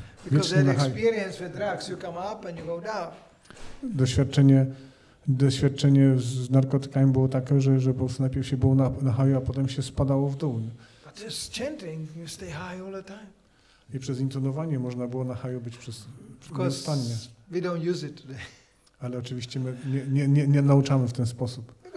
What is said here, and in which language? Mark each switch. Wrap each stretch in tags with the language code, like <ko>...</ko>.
<en>Because that experience with drugs, you come up and you go down.</en> <pl>Doświadczenie z narkotykami było takie, że po prostu najpierw się było na haju, a potem się spadało w dół.</pl> <en>But this chanting, you stay high all the time.</en> <pl>I przez intonowanie można było na haju być przez nieustannie.</pl> <en>We don't use it today.</en> <pl>Ale oczywiście my nie nauczamy w ten sposób.</pl>